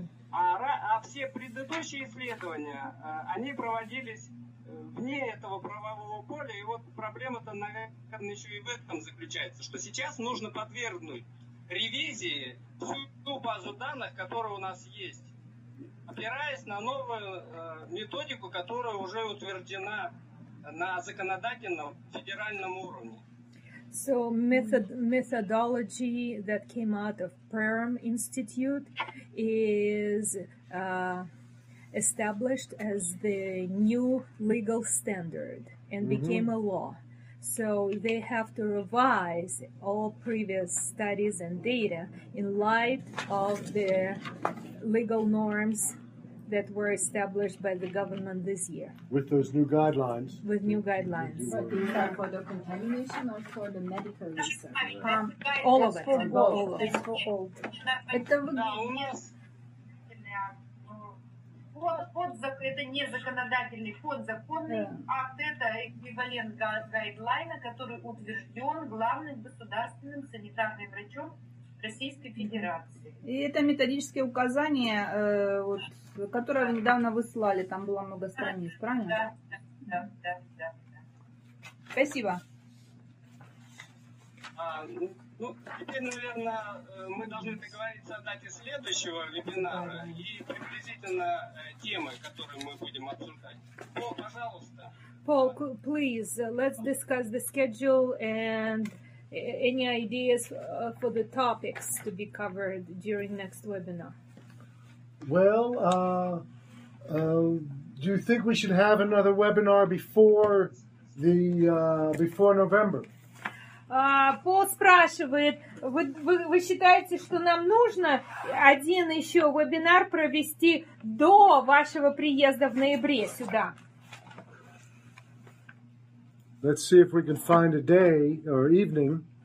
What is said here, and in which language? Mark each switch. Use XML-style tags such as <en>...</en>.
<ru>А все предыдущие исследования, они проводились вне этого правового поля, и вот проблема-то, наверное, еще и в этом заключается, что сейчас нужно подвергнуть ревизии всю базу данных, которая у нас есть, опираясь на новую методику, которая уже утверждена на законодательном федеральном уровне.</ru> <en>So methodology that came out of Perm Institute is established as the new legal standard and became a law. So they have to revise all previous studies and data in light of the legal norms that were established by the government this year. With those new guidelines. With new guidelines. But these are for the contamination or for the medical research? All of it. For both. All of it. It's for all.</en> <ru>Это это не законодательный фонд, законный акт, это эквивалент гайдлайна, который утвержден главным государственным санитарным врачом Российской Федерации. И это методическое указание, вот, которое вы недавно выслали, там было много страниц, правильно? Да, да, да. Спасибо. А, ну, теперь, наверное, мы должны договориться о дате следующего вебинара и приблизительно темы, которые мы будем обсуждать. Пол, пожалуйста.</ru> <en>Пол, please, let's discuss the schedule and any ideas for the topics to be covered during next webinar? Well, do you think we should have another webinar before the before November?</en> <ru>Пол спрашивает, вы считаете, что нам нужно один еще вебинар провести до вашего приезда в ноябре сюда?</ru> <en>Let's see if we can find a day or evening.</en>